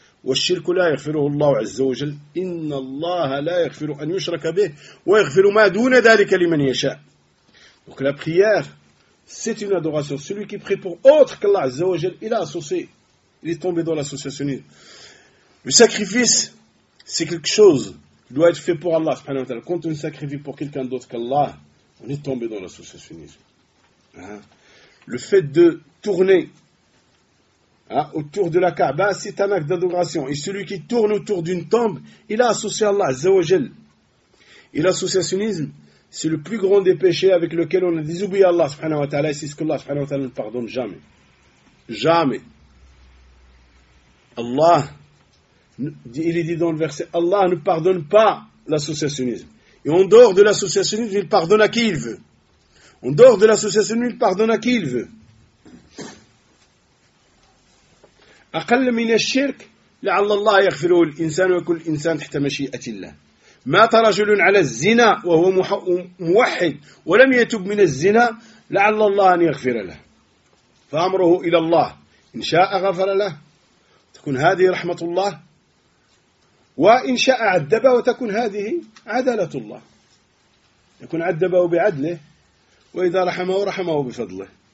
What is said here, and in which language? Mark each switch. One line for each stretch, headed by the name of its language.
Arabic: والشرك لا يغفره الله عز وجل إن الله لا يغفر أن يشرك به ويغفر ما دون ذلك لمن يشاء.
French: Donc la prière, c'est une adoration. Celui qui prie pour autre qu'Allah عز وجل, il a associé, il est tombé dans l'associationnisme. Le sacrifice, c'est quelque chose qui doit être fait pour Allah subhanahu wa ta'ala. Quand on sacrifie pour quelqu'un d'autre qu'Allah, on est tombé dans l'associationnisme. Le fait de tourner autour de la Kaaba, c'est un acte d'adoration. Et celui qui tourne autour d'une tombe, il a associé Allah, Azza wa Jal. Et l'associationnisme, c'est le plus grand des péchés avec lequel on a désobéi Allah, subhanahu wa ta'ala, et c'est ce que Allah, subhanahu wa ta'ala, ne pardonne jamais. Jamais. Allah, il est dit dans le verset, Allah ne pardonne pas l'associationnisme. Et en dehors de l'associationnisme, il pardonne à qui il veut. En dehors de l'associationnisme, il pardonne à qui il veut.
Arabic: أقل من الشرك لعل الله يغفره الإنسان وكل إنسان تحت مشيئة الله مات رجل على الزنا وهو موحد ولم يتب من الزنا لعل الله أن يغفر له فأمره إلى الله إن شاء غفر له تكون هذه رحمة الله وإن شاء عذبه وتكون هذه عدالة الله يكون عذبه بعدله وإذا رحمه رحمه بفضله